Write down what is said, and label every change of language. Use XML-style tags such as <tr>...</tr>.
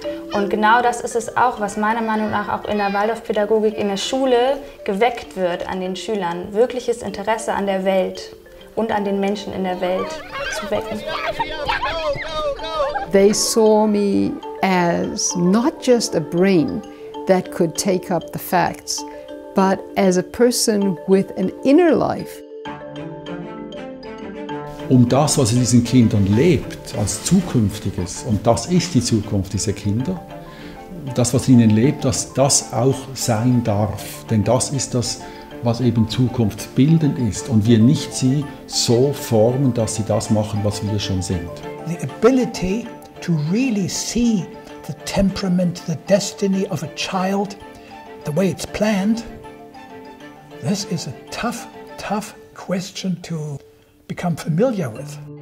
<de>Und genau das ist es auch, was meiner Meinung nach auch in der Waldorfpädagogik in der Schule geweckt wird an den Schülern. Wirkliches Interesse an der Welt und an den Menschen in der Welt zu wecken.</de> <en>They saw me as not just a brain that could take up the facts, but as a person with an inner life.</en> <de>Um das, was in diesen Kindern lebt, als Zukünftiges, und das ist die Zukunft dieser Kinder, das, was in ihnen lebt, dass das auch sein darf. Denn das ist das, was eben zukunftsbildend ist. Und wir nicht sie so formen, dass sie das machen, was wir schon sind.</de> <en>The ability to really see the temperament, the destiny of a child, the way it's planned, this is a tough, tough question to become familiar with.</en>